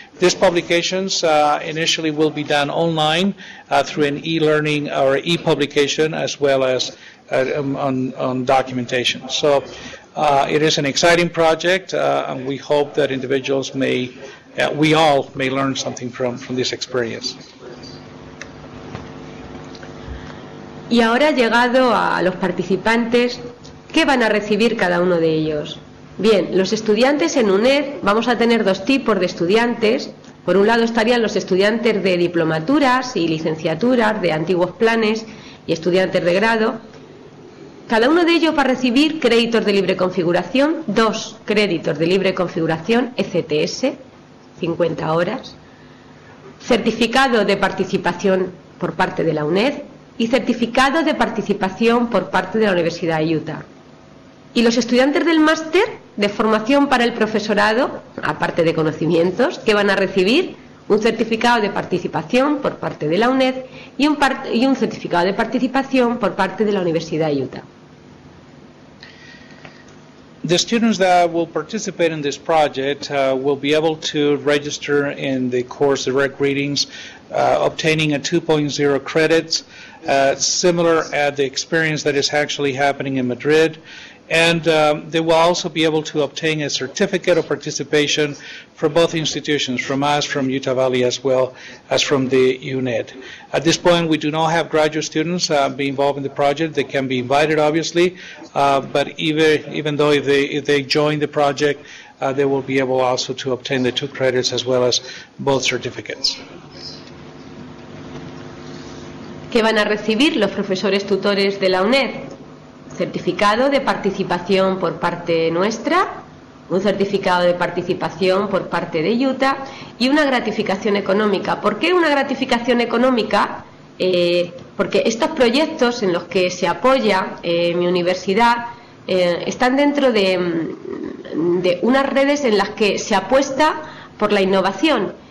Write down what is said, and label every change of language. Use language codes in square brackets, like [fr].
[en] These publications initially will be done online through an e-learning or e-publication as well as on documentation. So it is an exciting project, and we hope that individuals may, we all may learn something from this experience. [es] Y ahora llegado a los participantes, ¿qué van a recibir cada uno de ellos? Bien, los estudiantes en UNED vamos a tener dos tipos de estudiantes. Por un lado estarían los estudiantes de diplomaturas y licenciaturas de antiguos planes y estudiantes de grado. Cada uno de ellos va a recibir créditos de libre configuración, dos créditos de libre configuración, ECTS, 50 horas, certificado de participación por parte de la UNED y certificado de participación por parte de la Universidad de Utah. Y los estudiantes del máster de formación para el profesorado, aparte de conocimientos, que van a recibir un certificado de participación por parte de la UNED y un certificado de participación por parte de la Universidad de Utah. [en] The students that will participate in this project will be able to register in the course Direct Readings, obtaining a 2.0 credits, similar at the experience that is actually happening in Madrid. And they will also be able to obtain a certificate of participation from both institutions, from us, from Utah Valley, as well as from the UNED. At this point, we do not have graduate students be involved in the project. They can be invited, obviously, but even though if they join the project, they will be able also to obtain the two credits as well as both certificates. [es] ¿Qué van a recibir los profesores tutores de la UNED? Certificado de participación por parte nuestra, un certificado de participación por parte de Utah y una gratificación económica. ¿Por qué una gratificación económica? Porque estos proyectos en los que se apoya mi universidad están dentro de unas redes en las que se apuesta por la innovación